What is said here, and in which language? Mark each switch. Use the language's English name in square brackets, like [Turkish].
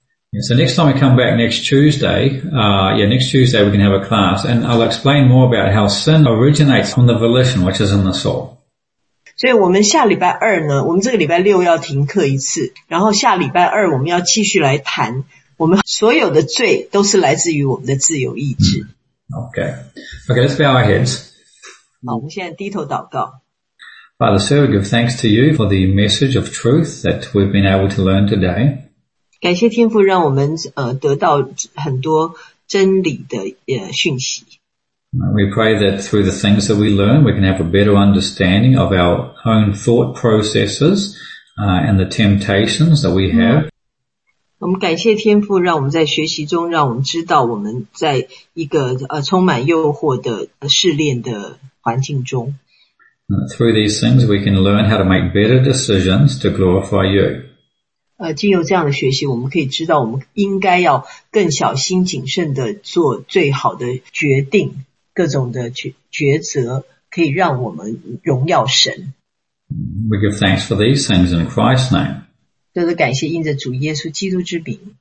[English] Yeah, so next time we come back next Tuesday we can have a class, and I'll explain more about how sin originates from the volition, which is in the soul. [Chinese] 所以我们下礼拜二呢，我们这个礼拜六要停课一次，然后下礼拜二我们要继续来谈，我们所有的罪都是来自于我们的自由意志。 [English] Okay, let's bow our heads. [Chinese] 好，我们现在低头祷告。 [English] Father, sir, we give thanks to you for the message of truth that we've been able to learn today. [Chinese] 感谢天父让我们得到很多真理的讯息。 [English] We pray that through the things that we learn, we can have a better understanding of our own thought processes, and the temptations that we have. [Chinese] 我们感谢天父让我们在学习中让我们知道我们在一个充满诱惑的试炼的环境中。 [English] Through these things, we can learn how to make better decisions to glorify you. [Chinese] 经由这样的学习，我们可以知道我们应该要更小心谨慎地做最好的决定，各种的抉择可以让我们荣耀神。 [English] We give thanks for these things in Christ's name. [Chinese] 这是感谢因着主耶稣基督之名。